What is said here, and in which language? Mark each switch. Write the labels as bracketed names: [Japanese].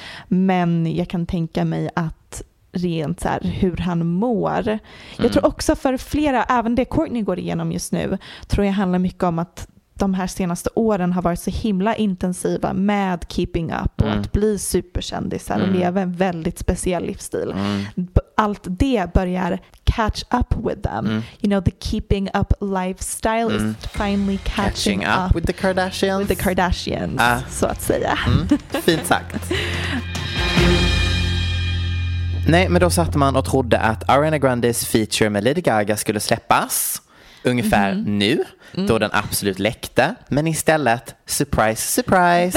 [Swedish] Men jag kan tänka mig att rent så här, hur han mår. Jag tror också för flera, även det Kourtney går igenom just nu, tror jag handlar mycket om att de här senaste åren har varit så himla intensiva med Keeping Up och att bli superkändisar och leva en väldigt speciell livsstil. Allt det börjar [English] catch up with them. You know, the Keeping Up lifestyle is finally catching up with the Kardashians. With the Kardashians, [Swedish] så att säga. Fint sagt. Nej, men då satte man och trodde att Ariana Grandes feature med Lady Gaga skulle släppas ungefär nu, då den absolut läckte. Men istället, [English] surprise, surprise.